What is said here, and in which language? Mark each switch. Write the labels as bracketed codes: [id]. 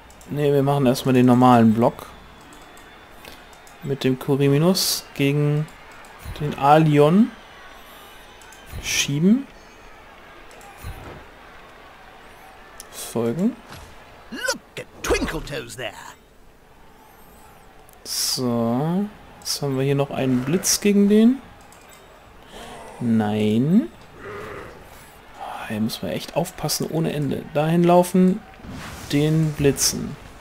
[de] Ne, wir machen erstmal den normalen Block. Mit dem Kuriminus gegen den Alion schieben. Folgen. [en] Look at Twinkle Toes there. [de] So. Jetzt haben wir hier noch einen Blitz gegen den. Nein. Hier müssen wir echt aufpassen ohne Ende. Dahin laufen, den blitzen.